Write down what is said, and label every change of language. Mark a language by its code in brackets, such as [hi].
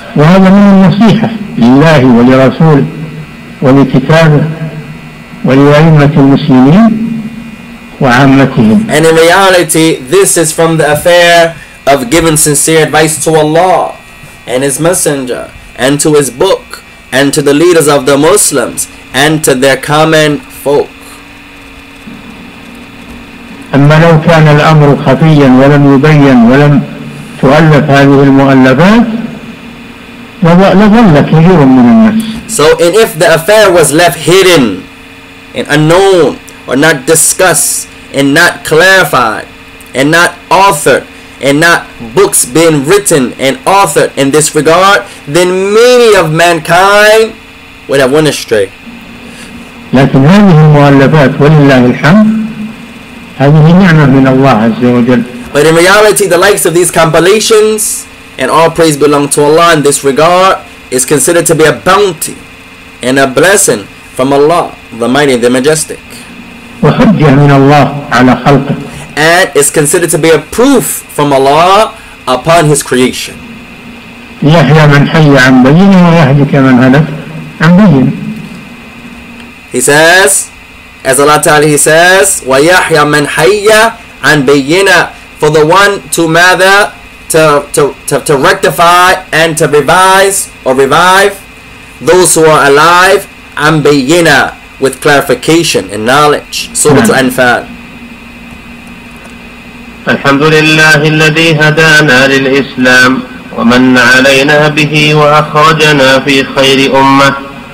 [ar] وهذا وعامتهم. [en] And in reality, this is from the affair of giving sincere advice to Allah and His Messenger and to His Book and to the leaders of the Muslims and to their common folk. [ar] أما لو كان الأمر خفيا ولم يبين ولم تؤلف هذه المؤلفات لظل كثير من الناس. [en] So and if the affair was left hidden and unknown or not discussed and not clarified and not authored and not books being written and authored in this regard, then many of mankind would have went astray. [ar] لكن هذه المؤلفات ولله الحمد هذه نعمة من الله عز وجل. [en] But in reality, the likes of these compilations and all praise belong to Allah in this regard is considered to be a bounty and a blessing from Allah, the Mighty, the Majestic. [ar] وحجة من الله على خلقه. [en] And is considered to be a proof from Allah upon His creation. [ar] يحيى من حي عن بين ويهلك من هلك عن بين. [en] He says, as Allah Ta'ala, He says, [ar] وَيَحْيَ مَنْ حَيَّ عَنْ بَيِّنَةً. [en] For the one to mather, to rectify and to revise or revive those who are alive, [ar] عَنْ بَيِّنَةً, [en] with clarification and knowledge. Surah to Anfal. [ar] الحمد لله الذي هدانا للإسلام ومن علينا به وأخرجنا في خير أمة.